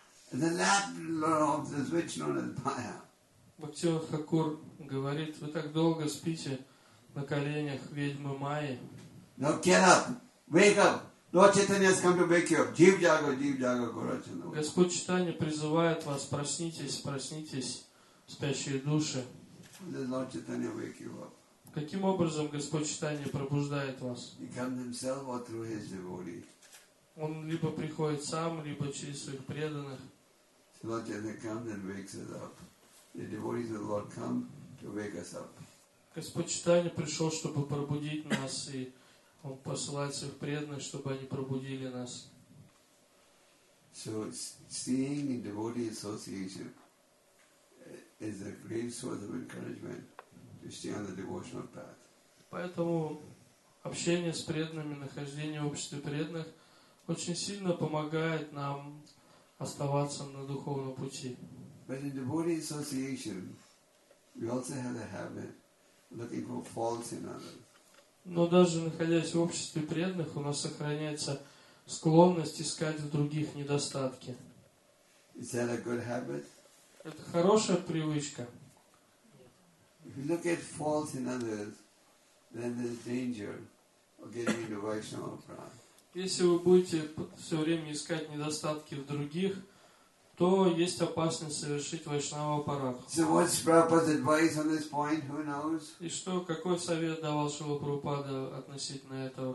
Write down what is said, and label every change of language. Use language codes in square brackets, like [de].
[en] The lap of the switch known as Maya. [ru] Бхакти Хакур говорит, вы так долго спите на коленях ведьмы Майи. [en] Now get up, wake up. Lord Chaitanya has come to wake you up. [bn] Дивджага, дивджага, горачана. [ru] Господь Читания призывает вас, проснитесь, проснитесь, спящие души. [en] Lord Chaitanya wake you up. [ru] Каким образом Господь Читания пробуждает вас? [en] He comes himself or through his devotee. [ru] Он либо приходит сам, либо через своих преданных. [en] Lord Chaitanya comes and wakes us up. The devotees of the Lord come to wake us up. [ru] Господь Читания пришел, чтобы пробудить нас, и Он посылает своих преданных, чтобы они пробудили нас. [en] So seeing in devotee association is a great source of encouragement to stay on the devotional path. [ru] Поэтому общение с преданными, нахождение в обществе преданных очень сильно помогает нам оставаться на духовном пути. [en] But in devotee association, we also have a habit looking for faults in others. [ru] Но даже находясь в обществе преданных, у нас сохраняется склонность искать в других недостатки. [en] Is that a good habit? [ru] Это хорошая привычка. [en] If you look at faults in others, then there's danger of getting into Vaishnava pride. [ru] Если вы будете все время искать недостатки в других, то есть опасность совершить вайшнава парах. [en] So what's Prabhupada's advice on this point? Who knows? [ru] И что, какой совет давал Шрила Прабхупада относительно этого?